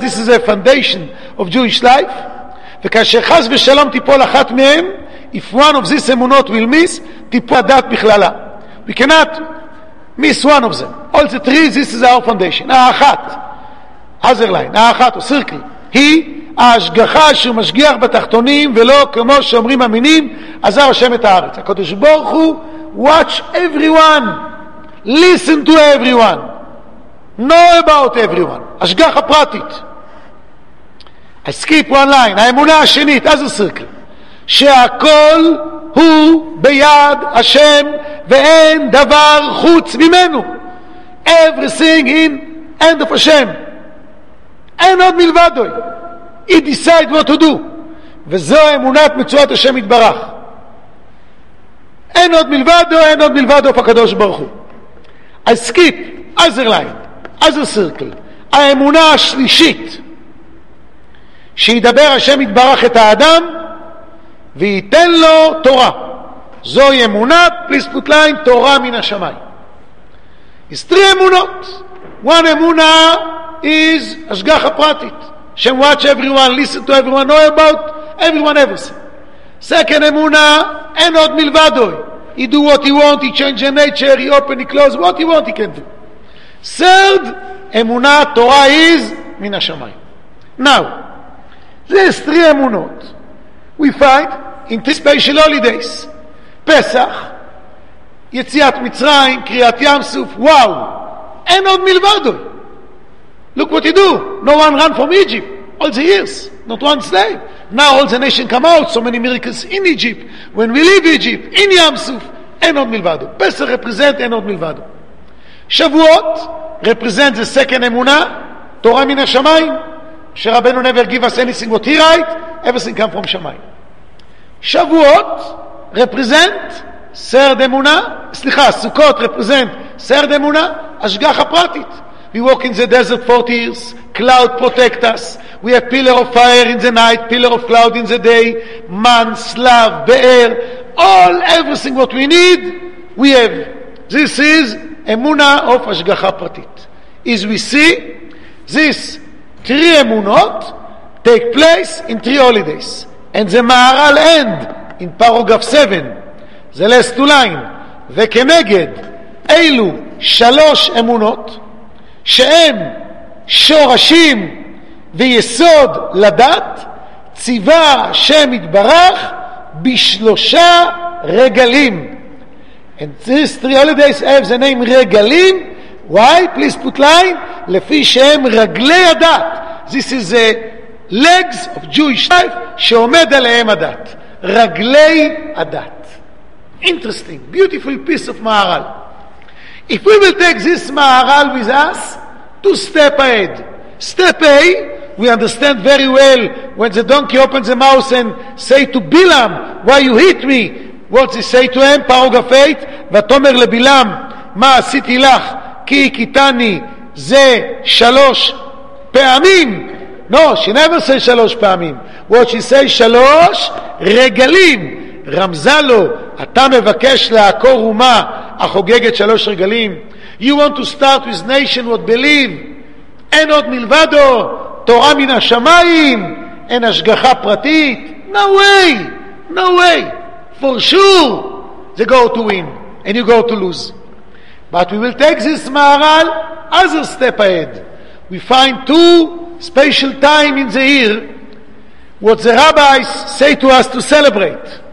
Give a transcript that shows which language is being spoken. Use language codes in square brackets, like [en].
[en] This is a foundation of Jewish life. [he] Ve'kasher chas v'shalom tipol achat mehem, [en] if one of these emunot will miss, [he] tipol adad b'chlala. [en] We cannot miss one of them. All the 3, this is our foundation. Ha'achat. Other line. Ha'achat, or circle. He, [he] ההשגחה שהוא משגיח בתחתונים, ולא כמו שאומרים המינים, עזר השם את הארץ. הקדוש ברוך הוא, [en] watch everyone, listen to everyone, know about everyone, [he] השגח הפרטית. [en] I skip one line, [he] האמונה השנית, [en] as a circle, [he] שהכל הוא ביד השם, ואין דבר חוץ ממנו. [en] Everything in end of השם. [he] אין עוד מלבדו. [en] He decide what to do. [he] וזו האמונת מצוות השם יתברך. אין עוד מלבדו, אין עוד מלבדו פה הקדוש ברוך הוא. [en] I skip other line, other circle. [he] האמונה השלישית, שידבר השם יתברך את האדם, וייתן לו תורה. זוהי אמונה, [en] please put line, [he] תורה מן השמיים. יש שתי אמונות. [en] One אמונה is [he] השגח הפרטית. [en] שם watch everyone, listen to everyone, know about everyone, everything. Second אמונה, [he] אין עוד מלבדו. [en] He do what he want, he change the nature, he open, he close, what he want, he can do. Third אמונה, תורה is [he] מן השמיים. [en] Now, these three אמונות we find in these special holidays. [he] פסח, יציאת מצרים, קריאת ים סוף, וואו, אין עוד מלבדו. [en] Look what you do. No one ran from Egypt. All the years. Not one slave. Now all the nation come out. So many miracles in Egypt. When we leave Egypt, in ים סוף, [he] אין עוד מלבדו. [en] פסח represent [he] אין עוד מלבדו. [en] שבועות represent the second אמונה, [he] תורה מן השמיים, שרבנו [en] never give us anything what he write, everything come from שמיים. שבועות represent third אמונה, סוכות represent third אמונה, [he] השגחה פרטית. [en] We walk in the desert 40 years, cloud protect us, we have pillar of fire in the night, pillar of cloud in the day, man, slav, be'er, all everything what we need, we have. This is אמונה of השגחה פרטית. As we see, this three אמונות take place in three holidays. And the Maharal end in paragraph 7. The last two lines. [he] וכנגד, אלו שלוש אמונות שהם שורשים ויסוד לדת, ציווה השם יתברך בשלושה רגלים. [en] And these three holidays have the name רגלים. Why? Please put line. [he] לפי שהם רגלי הדת. [en] This is a legs of Jewish life [he] שעומד עליהם הדת. רגלי הדת. [en] Interesting, beautiful piece of Maharal. If we will take this Maharal with us to step ahead. Step A, we understand very well when the donkey opens the mouth and say to Bilam, why you hit me? What does he say to him? Paragraph 8, [he] ותאמר לבילם, מה עשיתי לך? כי כיתני זה שלוש פעמים. [en] No, she never says [he] שלוש פעמים. [en] What she says, [he] שלוש רגלים. רמזה לו, אתה מבקש לעקור אומה החוגגת שלוש רגלים. [en] You want to start with nation what believe. [he] אין עוד מלבדו, תורה מן השמיים, אין השגחה פרטית. [en] No way, no way. For sure, they go to win and you go to lose. But we will take this Maharal as a step ahead. We find two special time in the year what the rabbis say to us to celebrate.